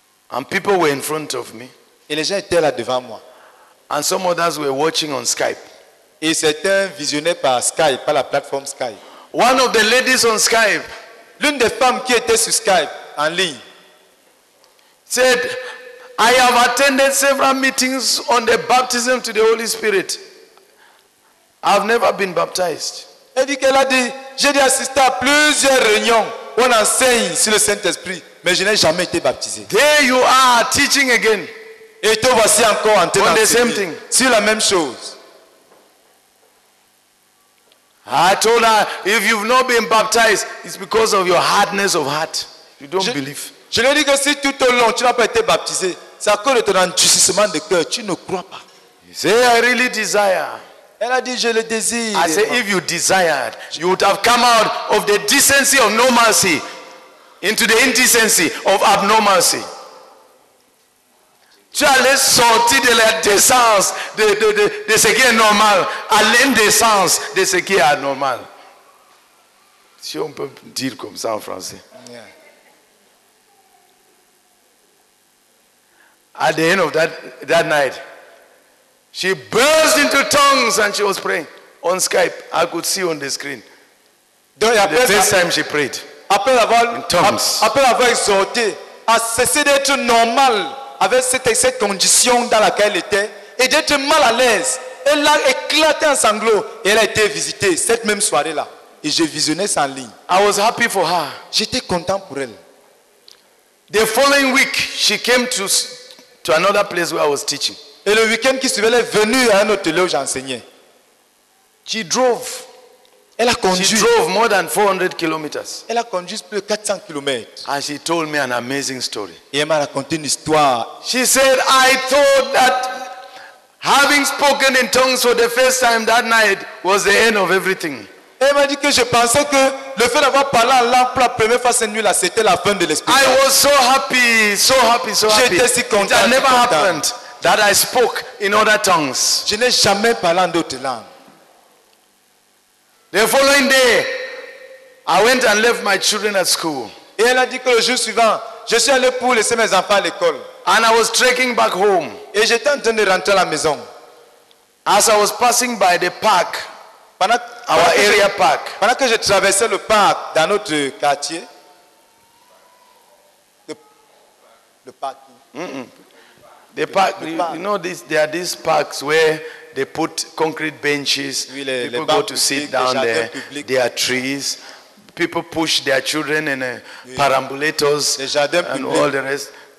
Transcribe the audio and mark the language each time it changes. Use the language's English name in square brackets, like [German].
[English] And people were in front of me. [French] Et les gens étaient là devant moi. [English] And some others were watching on Skype. [French] Et certains visionnaient par Skype, par la plateforme Skype. [English] One of the ladies on Skype, [French] l'une des femmes qui était sur Skype en ligne, [English] said, I have attended several meetings on the baptism to the Holy Spirit. I've never been baptized. [French] Elle dit qu'elle a dit, j'ai dû assister à plusieurs réunions où on enseigne sur le Saint-Esprit, mais je n'ai jamais été baptisé. [English] There you are teaching again. [French] Et te voici encore en train d'enseigner. [English] On the same thing. [French] Sur la même chose. [English] I told her, if you've not been baptized, it's because of your hardness of heart. You don't believe. [French] Je lui ai dit que si tout au long tu n'as pas été baptisé, c'est à cause de ton endurcissement de cœur, tu ne crois pas. [English] Say, I really desire. [French] Elle a dit, je le désire. [English] I said, if you desired, you would have come out of the decency of normalcy into the indecency of abnormalcy. [French] Tu allais sortir de la décence de ce qui est normal à l'indécence de ce qui est anormal. Si on peut dire comme ça en français. [English] At the end of that night, she burst into tongues and she was praying on Skype. I could see on the screen. [French] Donc, [English] the first time she prayed. [French] Après avoir exhorté à cesser d'être normal avec cette condition dans laquelle elle était et d'être mal à l'aise, elle a éclaté en sanglots et elle a été visitée cette même soirée-là. Et je visionnais ça en ligne. [English] I was happy for her. [French] J'étais content pour elle. [English] The following week, she came to another place where I was teaching. [French] Et le week-end qui suivait, elle est venue à un hôtel où j'enseignais. [English] She drove. [French] Elle a conduit. [English] She drove more than 400 kilometers. [French] Elle a conduit plus de 400 kilomètres. [English] And she told me an amazing story. [French] Et elle m'a raconté une histoire. [English] She said, I thought that having spoken in tongues for the first time that night was the end of everything. [French] Elle m'a dit que je pensais que le fait d'avoir parlé en langue pour la première fois cette nuit-là, c'était la fin de l'espérance. [English] I was so happy. [French] J'étais si content. [English] It had never happened that I spoke in other tongues. [French] Je n'ai jamais parlé en d'autres langues. [English] The following day, I went and left my children at school. [French] Et elle a dit que le jour suivant, je suis allé pour laisser mes enfants à l'école. [English] And I was trekking back home. [French] Et j'étais en train de rentrer à la maison. [English] As I was passing by the park, our area park. [French] Pendant que je traversais le parc dans notre quartier, le parc. [English] The park. You know, there are these parks where they put concrete benches. [French] Oui, [English] people go to public, sit down there. Public. There are trees. People push their children in perambulators and public. All the rest.